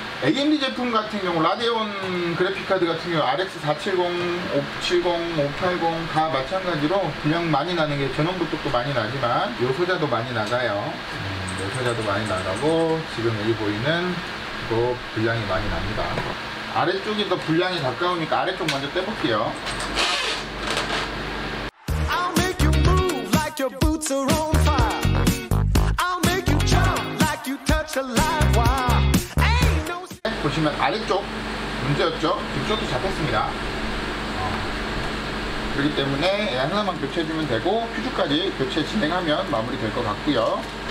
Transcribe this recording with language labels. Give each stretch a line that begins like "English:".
Korean: AMD 제품 같은 경우 라디온 그래픽카드 같은 경우 RX470, 570, 580 다 마찬가지로 분명 많이 나는 게 전원부터도 많이 나지만 요 소자도 많이 나가요. 요 소자도 많이 나가고 지금 여기 보이는 또 불량이 많이 납니다. 아래쪽이 더 불량이 가까우니까 아래쪽 먼저 떼볼게요.
English: I'll make you move like your boots are on fire. I'll make you jump like you touch a live wire. Ain't no...
Korean: 보시면 아래쪽 문제였죠? 지금 쇼트 잡혔습니다. 그렇기 때문에 하나만 교체해주면 되고 퓨즈까지 교체 진행하면 마무리 될 것 같고요.